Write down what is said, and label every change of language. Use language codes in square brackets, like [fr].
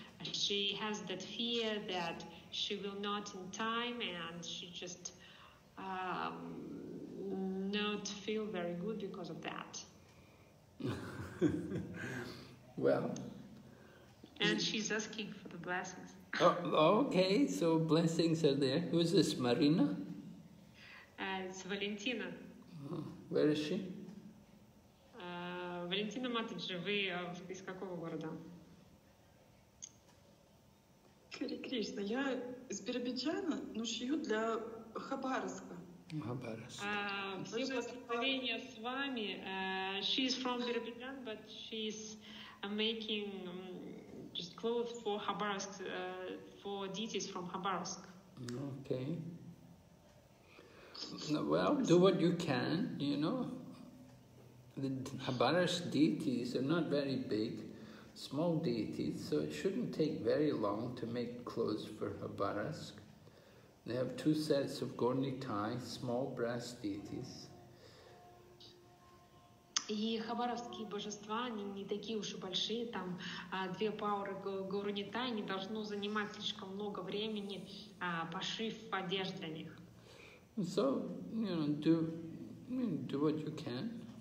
[en] She has that fear that she will not in time, and she just not feel very good because of that. Well, and she's asking for the blessings. Okay, so blessings are there. Who is this, Marina? It's Valentina. Where is she? [ru] Валентина Матаджи, вы из какого города? Хари Кришна, я из Биробиджана, но шью для Хабаровска. Хабаровск. Все поздравления с вами. [en] She is from Биробиджан, but she is making just clothes for Хабаровск, for deities from Хабаровск. Okay. Well, do what you can, you know. The Habarash deities are not very big, small deities, so it shouldn't take very long to make clothes for Habarash. They have two sets of Gornitai, small brass deities. [ru] И хабаровские божества, они не такие уж и большие, там две пауры Гурнитай не должно занимать слишком много времени, пошив одежду для них. [en] So, you know, do what you can.